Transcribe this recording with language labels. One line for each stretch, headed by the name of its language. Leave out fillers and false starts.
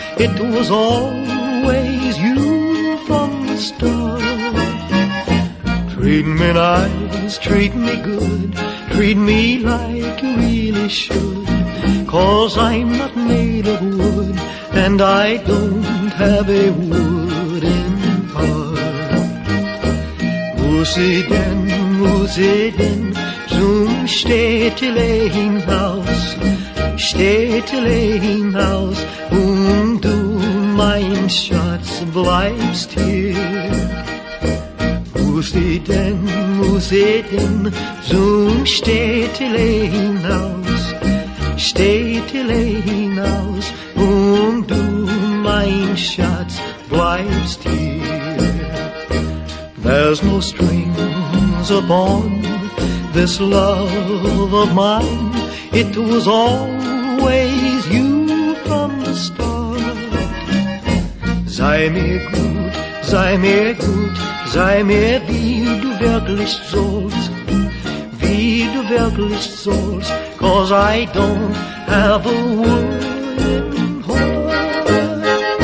English: It was all you from the start. Treat me nice, treat me good, treat me like you really should. 'Cause I'm not made of wood, and I don't have a wooden heart.
German: Muss ich denn zum Städtelehinhaus, Städtelehinhaus, du mein Schatz bleibst hier. Muss ich denn zum Städtele hinaus, Städtele hinaus, und du, mein Schatz, bleibst hier.
English: There's no strings upon this love of mine, it was always you from the start.
German: Sei mir wie du wirklich sollst, wie du wirklich sollst,
English: 'cause I don't have a wooden heart.